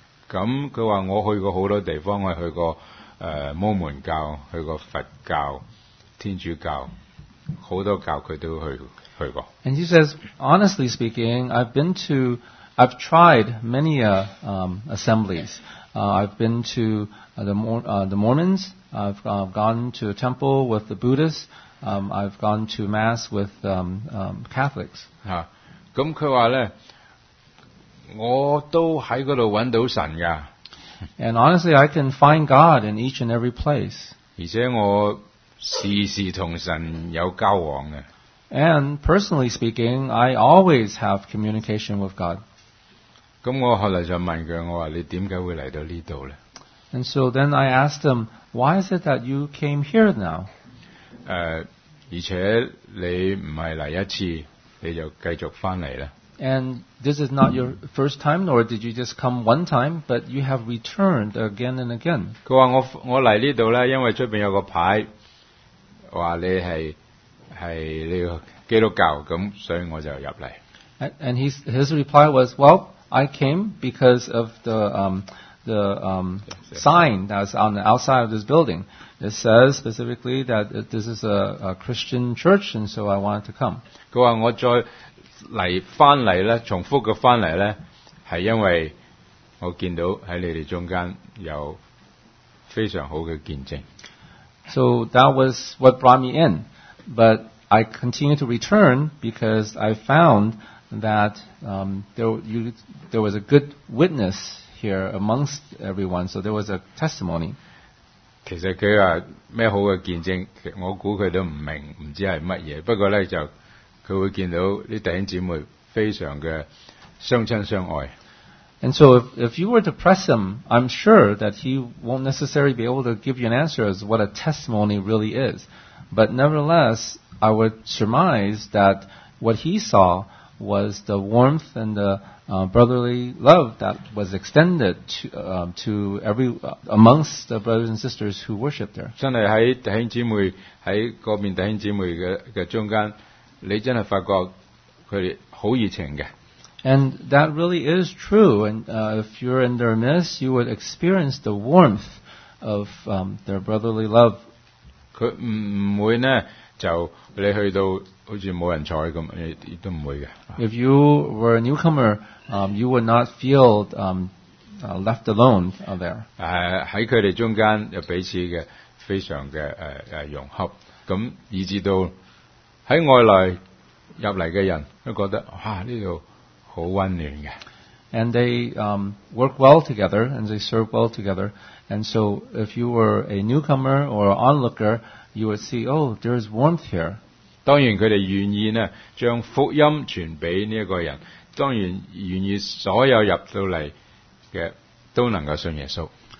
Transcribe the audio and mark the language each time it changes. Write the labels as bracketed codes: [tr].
[yue] 咁佢話我去過好多地方，我去過摩門教，去過佛教、天主教，好多教佢都去。 [en] And he says, honestly speaking, I've tried many assemblies. I've been to the Mormons. I've gone to a temple with the Buddhists. I've gone to mass with Catholics. [yue] 咁佢話咧，我都喺嗰度揾到神噶。 [en] And honestly, I can find God in each and every place. [yue] 而且我時時同神有交往嘅。 [en] And personally speaking, I always have communication with God. [yue] 咁我後來就問佢，我話你點解會嚟到呢度咧 [en] ？And so then I asked him, why is it that you came here now? [yue] 而且你唔係嚟一次，你就繼續翻嚟咧 [en] ？And this is not your first time, nor did you just come one time, but you have returned again and again. [yue] 佢話我嚟呢度咧，因為出邊有個牌話你係。是这个基督教，咁所以我就入嚟。 [en] And his reply was, well, I came because of sign that's on the outside of this building. It says specifically that this is a Christian church, and so I wanted to come. [yue] 佢话我再嚟翻嚟咧，重复嘅翻嚟咧，系因为我见到喺你哋中间有非常好嘅见证。 [en] So that was what brought me in. But I continue to return because I found that there was a good witness here amongst everyone, so there was a testimony. [yue] 其實佢話咩好嘅見證，我估佢都唔明，唔知係乜嘢。不過咧，就佢會見到啲弟兄姊妹非常嘅相親相愛。 [en] And so if you were to press him, I'm sure that he won't necessarily be able to give you an answer as what a testimony really is. But nevertheless, I would surmise that what he saw was the warmth and the brotherly love that was extended to amongst the brothers and sisters who worshiped there. [yue] 真係喺弟兄姊妹喺嗰邊弟兄姊妹嘅中間，你真係發覺佢哋好熱情嘅。 [en] And that really is true. And if you're in their midst, you would experience the warmth of their brotherly love. [yue] 佢唔會咧，就你去到好似冇人坐咁，亦都唔會嘅。 [en] If you were a newcomer, you would not feel left alone there. [yue] 喺佢哋中間有彼此嘅非常嘅融合，咁以至到喺外來入嚟嘅人都覺得哇呢度好温暖嘅。 [en] And they work well together, and they serve well together. And so, if you were a newcomer or an onlooker, you would see, oh, there is warmth here. [yue] 當然佢哋願意咧，將福音傳俾呢一個人。當然願意所有入到嚟嘅都能夠信耶穌。